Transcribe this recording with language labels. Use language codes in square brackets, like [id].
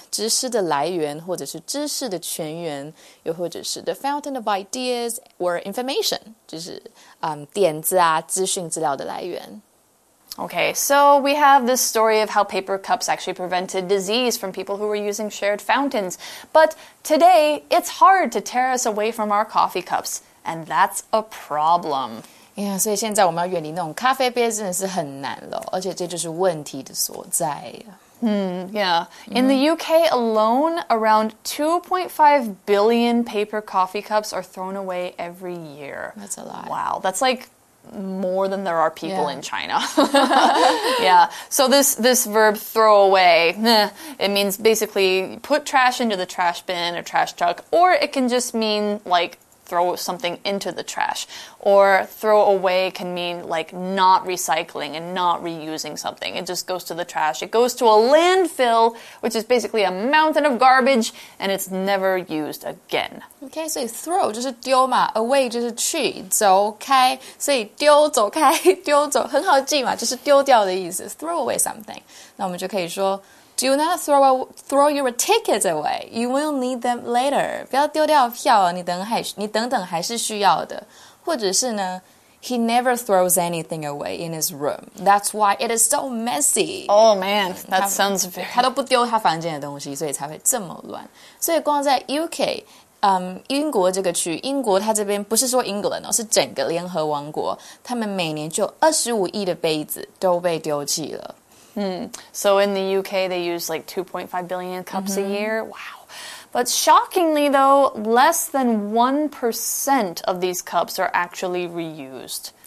[zh] 知识的来源或者是知识的泉源。又或者是 [en] the fountain of ideas or information. [zh] 就是点子啊资讯资料的来源。 [en] Okay, so we have this story of how paper cups actually prevented disease from people who were using shared fountains. But today, it's hard to tear us away from our coffee cups, and that's a problem. [zh] Yeah, 所以现在我们要远离那种咖啡杯真的是很难了，而且这就是问题的所在。 [en] In the UK alone, around 2.5 billion paper coffee cups are thrown away every year. That's a lot. Wow, that's like... more than there are people in China. Yeah. So this verb throw away, it means basically put trash into the trash bin or trash truck, or it can just mean like throw something into the trash. Or throw away can mean like not recycling and not reusing something. It just goes to the trash. It goes to a landfill, which is basically a mountain of garbage, and it's never used again. [zh] Okay, so throw 就是丢嘛 ,away 就是去走开。所以丢走开丢走很好记嘛，就是丢掉的意思。 [en] Throw away something. [zh] 那我们就可以说 [en] Do not throw your tickets away. You will need them later. [zh] 不要丢掉票哦，你等等还是需要的。或者是呢 [en] ,He never throws anything away in his room. That's why it is so messy. Oh man, that sounds very... [zh] 他都不丢他房间的东西，所以才会这么乱。所以光在 UK,英国这个区，英国它这边不是说 England 哦，是整个联合王国，他们每年就25亿的杯子都被丢弃了。 [en] So in the UK, they use like 2.5 billion cups a year. Wow. But shockingly, though, less than 1% of these cups are actually reused.